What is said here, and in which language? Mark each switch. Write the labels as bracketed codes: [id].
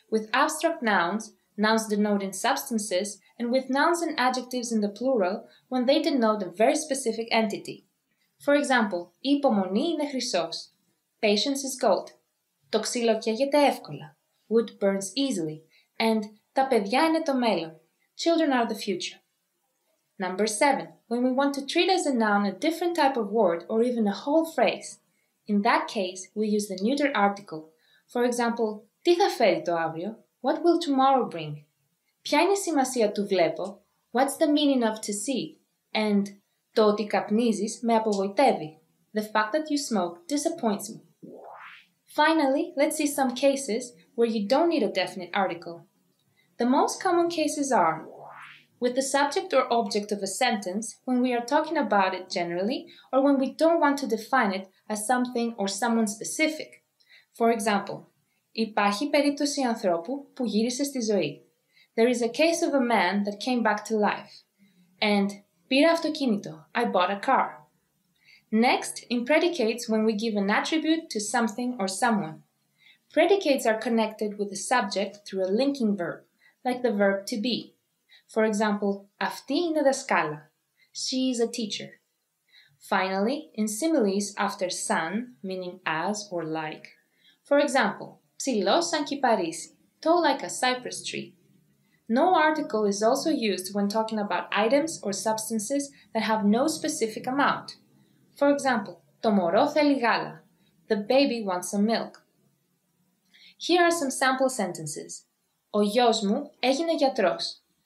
[en] With abstract nouns, nouns denoting substances, and with nouns and adjectives in the plural, when they denote a very specific entity. For example, [el] η υπομονή είναι χρυσός, [en] patience is gold, [el] το ξύλο καίγεται εύκολα, [en] wood burns easily, and [el] τα παιδιά είναι το μέλλον, [en] children are the future. Number 7. When we want to treat as a noun a different type of word or even a whole phrase. In that case, we use the neuter article. For example, [el] τι θα φέρει το αύριο? [en] What will tomorrow bring? [el] Ποια είναι η σημασία του βλέπω? [en] What's the meaning of to see? And [el] το ότι καπνίζεις με απογοητεύει. [en] The fact that you smoke disappoints me. Finally, let's see some cases where you don't need a definite article. The most common cases are with the subject or object of a sentence, when we are talking about it generally, or when we don't want to define it as something or someone specific. For example, [el] υπάρχει περίπτωση ανθρώπου που γύρισε στη ζωή. [en] There is a case of a man that came back to life. And [el] πήρα αυτοκίνητο, [en] I bought a car. Next, in predicates, when we give an attribute to something or someone. Predicates are connected with the subject through a linking verb, like the verb to be. For example, [el] αυτή είναι δασκάλα. [en] She is a teacher. Finally, in similes after σαν, meaning as or like. For example, [el] ψηλό σαν κυπαρίσι, [en] tall like a cypress tree. No article is also used when talking about items or substances that have no specific amount. For example, [el] το μωρό θέλει γάλα. [en] The baby wants some milk. Here are some sample sentences. [el] Ο γιος μου έγινε γιατρός.